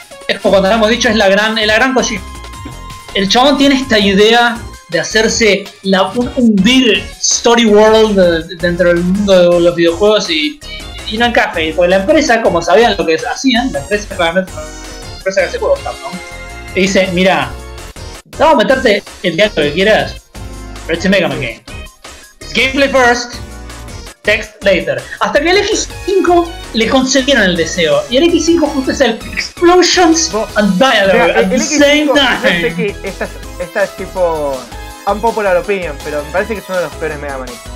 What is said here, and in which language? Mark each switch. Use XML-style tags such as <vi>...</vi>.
<es>Es como cuando habíamos dicho, es la gran cosita. El chabón tiene esta idea de hacerse un</es> <en>big story world</en> <es>dentro del mundo de los videojuegos y no encaje. Y pues la empresa, como sabían lo que hacían, la empresa que hace juegos, ¿no? Y dice, mira, vamos a meterte el diálogo que quieras, pero este Mega Man game.</es> <en>It's gameplay first, text later.</en> <es>Hasta que el X5 le concedieron el deseo. Y el X5 justo es el</es> <en>explosions and dialogue at the same time.</en> <es>Esta es tipo un</es> <en>popular opinion,</en> <es>pero me parece que es uno de los peores Mega Man.</es>